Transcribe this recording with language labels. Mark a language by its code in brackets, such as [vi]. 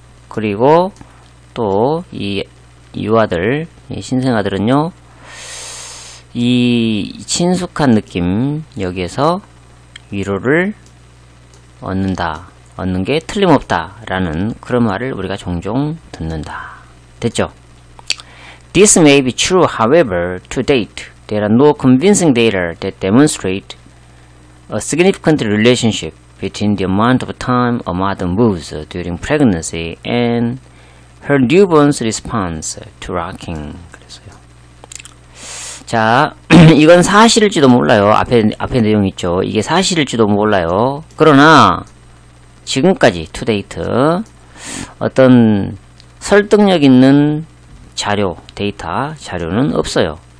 [ko] 그리고 또 이 유아들, 이 신생아들은요, 이 친숙한 느낌, 여기에서 위로를 얻는다. 얻는 게 틀림없다. 라는 그런 말을 우리가 종종 듣는다. [en] 됐죠? This may be true, however, to date. There are no convincing data that demonstrate a significant relationship between the amount of time a mother moves during pregnancy and her newborn's response to rocking. [ko] 그랬어요. 자, 이건 사실일지도 몰라요. 앞에 내용 있죠. 이게 사실일지도 몰라요. 그러나 지금까지 to date 어떤 설득력 있는 자료, 데이터, 자료는 없어요.